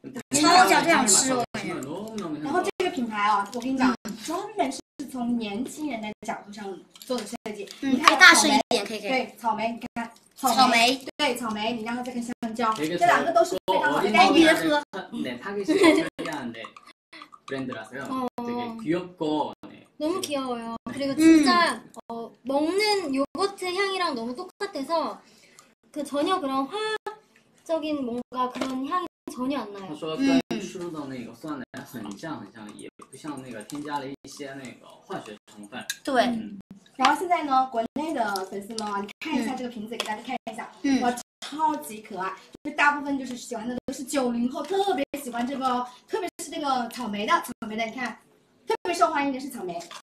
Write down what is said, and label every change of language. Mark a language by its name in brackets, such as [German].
[Chinese] 超级想吃哦。然后这个品牌啊，我跟你讲，专门是从年轻人的角度上做的设计。可以大声一点，可以。对，草莓，你看。草莓对草莓，你让它再看香蕉，这两个都是非常好的。哎，别喝， [Korean] 네, 타겟이 오스트리아인데 브랜드라서요. 되게 귀엽고 네. 너무 귀여워요. 그리고 진짜 먹는 요거트 향이랑 너무 똑같아서 그 전혀 그런 화학적인 뭔가 그런 향이 전혀 안 나요. [Chinese] 说刚才吃的那个酸奶像很像，像也不像那个添加了一些那个化学成分。对。然后现在呢，国内的粉丝们，你看一下这个瓶子，给大家看一下，哇，超级可爱，就大部分就是喜欢的都是90后，特别喜欢这个，特别是这个草莓的草莓的，你看，特别受欢迎的是草莓。